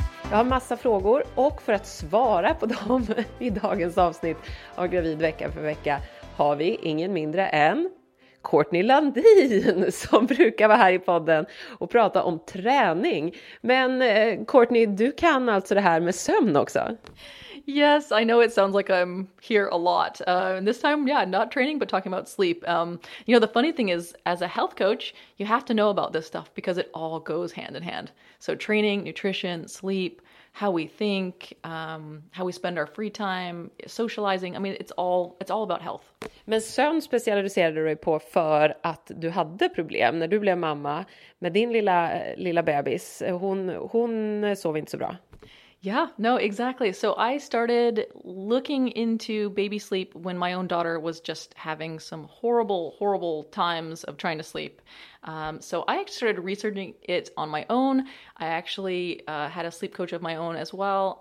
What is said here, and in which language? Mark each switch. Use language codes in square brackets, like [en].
[sv] Jag har massa frågor och för att svara på dem i dagens avsnitt av Gravid vecka för vecka har vi ingen mindre än Courtney Landin som brukar vara här i podden och prata om träning. Men Courtney, du kan alltså det här med sömn också. [en] Yes, I know it sounds like I'm here a lot. And this time, yeah, not training, but talking about sleep. You know, the funny thing is, as a health coach, you have to know about this stuff because it all goes hand in hand. So training, nutrition, sleep, how we think, how we spend our free time, socializing. I mean, it's all about health. [sv] Men sömn specialiserade du dig på för att du hade problem när du blev mamma med din lilla bebis. Hon sov inte så bra. [en] Yeah, no, exactly. So I started looking into baby sleep when my own daughter was just having some horrible, horrible times of trying to sleep. So I started researching it on my own. I actually had a sleep coach of my own as well.